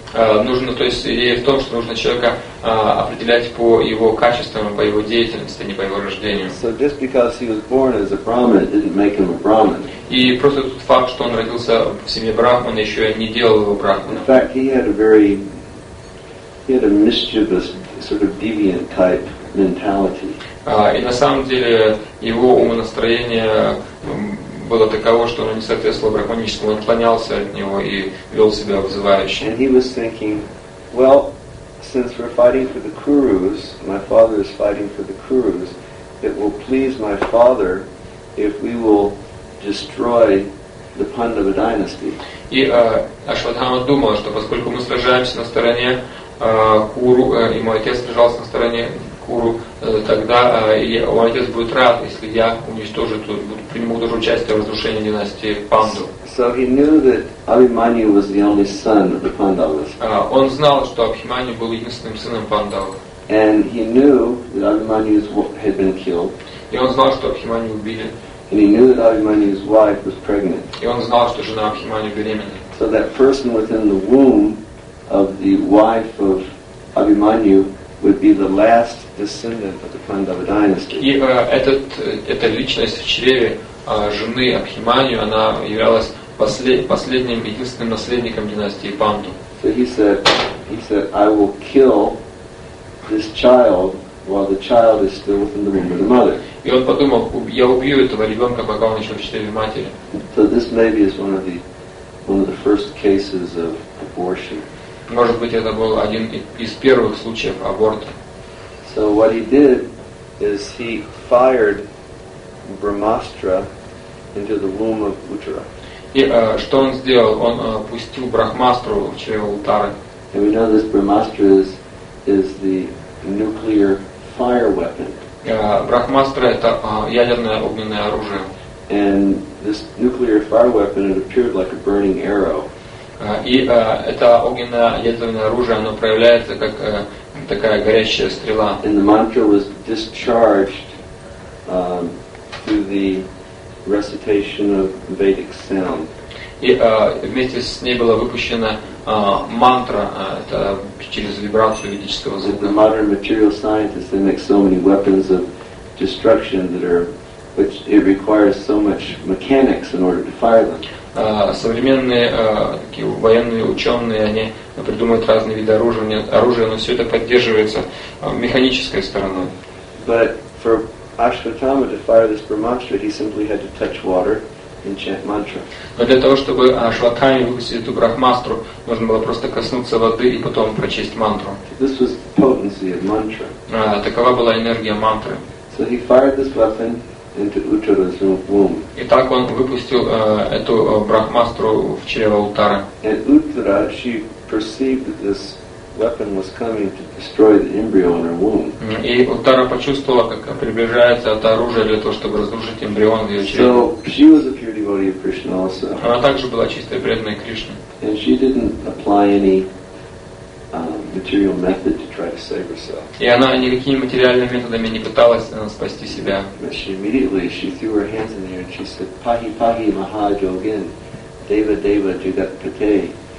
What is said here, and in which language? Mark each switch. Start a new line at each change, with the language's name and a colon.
Russian: Нужно, то есть идея в том, что нужно человека определять по его качествам, по его деятельности, а не по его рождению.
English: So just because he was born as a Brahmin, it didn't make him a Brahmin.
Russian: И просто тот факт, что он родился в семье Брахмана, еще не делал его Брахманом.
English: In fact, he had a mischievous, sort of deviant type mentality.
Russian: И на самом деле его умонастроение было таково, что он не соответствовал брахманическому, он отклонялся от него и вел себя вызывающе.
English: And he was thinking, well, since we're fighting for the Kurus, my father is fighting for the Kurus, it will please my father if we will destroy the Pandava dynasty.
Russian: И Ашватхама думал, что поскольку мы сражаемся на стороне Куру, и мой отец сражался на стороне Куру, тогда мой отец будет рад, если я уничтожу эту, приму даже участие в разрушении династии Панду.
English: So he knew that Abhimanyu was the only son of the Pandavas.
Russian: Он знал, что Абхиманью был единственным сыном Пандавы.
English: And he knew that Abhimanyu had been killed.
Russian: И он знал, что Абхиманью убили.
English: And he knew that Abhimanyu's wife was pregnant.
Russian: И он знал, что жена Абхиманью беременна.
English: So that person within the womb of the wife of Abhimanyu would be the last descendant of the Pandava dynasty.
Russian: И эта личность в чреве жены Абхиманию, она являлась последним единственным наследником династии Панду.
English: So he said, I will kill this child while the child is still within the womb of the mother.
Russian: И он подумал, я убью этого ребенка, пока он еще в чреве матери.
English: So this maybe is one of the first cases of abortion.
Russian: Может быть, это был один из первых случаев аборта.
English: So what he did is he fired Brahmastra into the womb of Uttara.
Russian: И что он сделал? Он пустил Брахмастру в чрево Уттары.
English: And we know this Brahmastra is the nuclear fire weapon.
Russian: Брахмастра — это ядерное огненное оружие.
English: And this nuclear fire weapon, it appeared like a burning arrow.
Russian: Это огненное ядерное оружие, оно проявляется как такая горящая стрела.
English: And the mantra was discharged through the recitation of Vedic sound.
Russian: И вместе с ней была выпущена мантра, это через вибрацию ведического звука.
English: The modern material scientists, they make so many weapons of destruction which it requires so much mechanics in order to fire them.
Russian: Современные такие военные ученые, они придумывают разные виды оружия, но все это поддерживается механической стороной.
English: But for Ashwatthama to fire this Brahmastra, he simply had to touch water and chant mantra.
Russian: Но для того, чтобы Ашватхаме выпустить эту Брахмастру, нужно было просто коснуться воды и потом прочесть мантру.
English: This was the potency of mantra.
Russian: Такова была энергия мантры.
English: So he fired this weapon into Uttara's womb.
Russian: И так он выпустил эту Брахмастру в чрево Уттары.
English: And Uttara, she perceived that this weapon was coming to destroy the embryo in her womb.
Russian: И Уттара почувствовала, как приближается это оружие для того, чтобы разрушить эмбрион в ее чреве.
English: So she was a pure devotee of Krishna also.
Russian: Она также была чистой преданной Кришне.
English: And she didn't apply any material method to try to save herself.
Russian: И она никакими материальными методами не пыталась спасти себя.
English: But she immediately threw her hands in the air and she said,
Sanskrit: "Pahi pahi maha jogin, deva deva jagat pate."